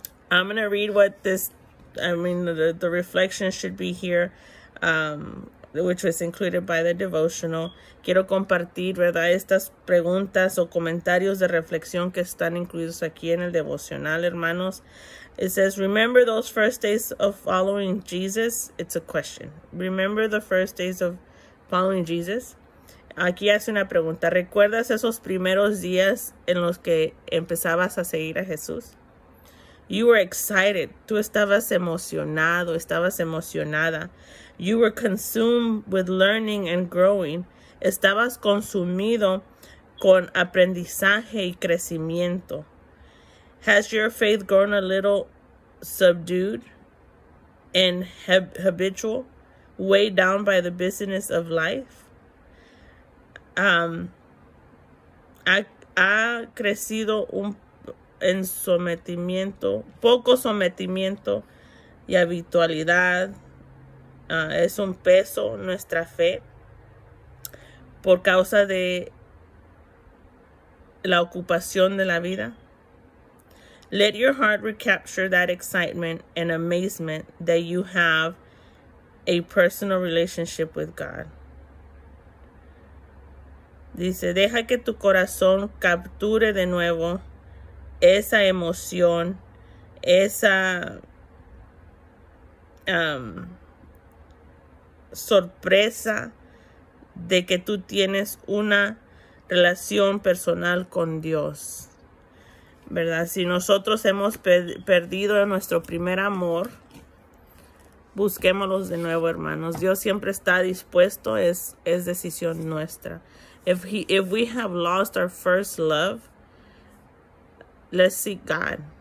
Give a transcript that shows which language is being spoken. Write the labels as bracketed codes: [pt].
[en] I'm going to read what this, the reflection should be here, which was included by the devotional. [es] Quiero compartir, ¿verdad?, estas preguntas o comentarios de reflexión que están incluidos aquí en el devocional, hermanos. [en] It says, remember those first days of following Jesus? It's a question. Remember the first days of following Jesus? [es] Aquí hace una pregunta. ¿Recuerdas esos primeros días en los que empezabas a seguir a Jesús? [en] You were excited. [es] Tú estabas emocionado, estabas emocionada. [en] You were consumed with learning and growing. [es] Estabas consumido con aprendizaje y crecimiento. [en] Has your faith grown a little subdued and habitual, weighed down by the busyness of life? [es] Ha crecido un en sometimiento, poco sometimiento y habitualidad. Es un peso nuestra fe por causa de la ocupación de la vida. [en] Let your heart recapture that excitement and amazement that you have a personal relationship with God. [es] Dice, deja que tu corazón capture de nuevo esa emoción, esa sorpresa de que tú tienes una relación personal con Dios. ¿Verdad? Si nosotros hemos perdido nuestro primer amor, busquémoslos de nuevo, hermanos. Dios siempre está dispuesto, es decisión nuestra. [en] If we have lost our first love, let's seek God.